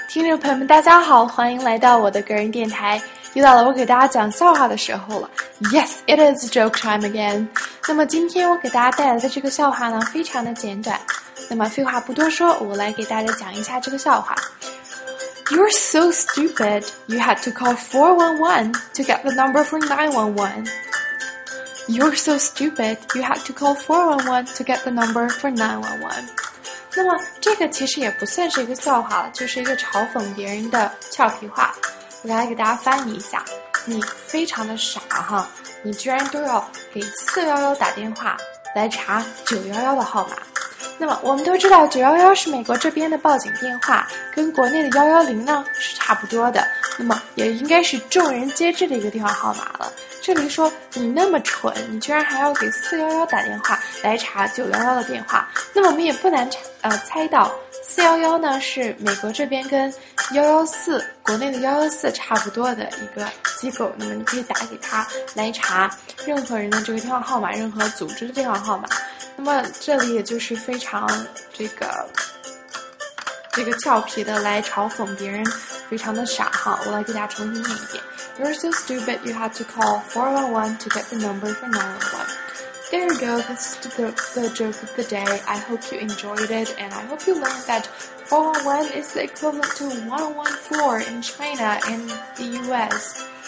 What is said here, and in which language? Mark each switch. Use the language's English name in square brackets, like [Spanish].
[Chinese] 听众朋友们，大家好，欢迎来到我的个人电台。又到了我给大家讲笑话的时候了。 [English] Yes, it is joke time again. [Chinese] 那么今天我给大家带来的这个笑话呢，非常的简短。那么废话不多说，我来给大家讲一下这个笑话。 [English] You're so stupid, you had to call 411 to get the number for 911. You're so stupid, you had to call 411 to get the number for 911. [Chinese] 那么这个其实也不算是一个笑话了，就是一个嘲讽别人的俏皮话。我来给大家翻译一下，你非常的傻哈，你居然都要给411打电话来查911的号码。那么我们都知道911是美国这边的报警电话，跟国内的110呢是差不多的，那么也应该是众人皆知的一个电话号码了。这里说你那么蠢，你居然还要给411打电话来查911的电话。那么我们也不难猜到，411呢是美国这边跟114国内的114差不多的一个机构，那么你可以打给他来查任何人的这个电话号码，任何组织的电话号码。那么这里也就是非常这个俏皮的来嘲讽别人，非常的傻哈。我来给大家重新念一遍。 [English] You're so stupid, you have to call 411 to get the number for 911. There you go, this is the joke of the day. I hope you enjoyed it, and I hope you learned that 411 is the equivalent to 114 in China and the US.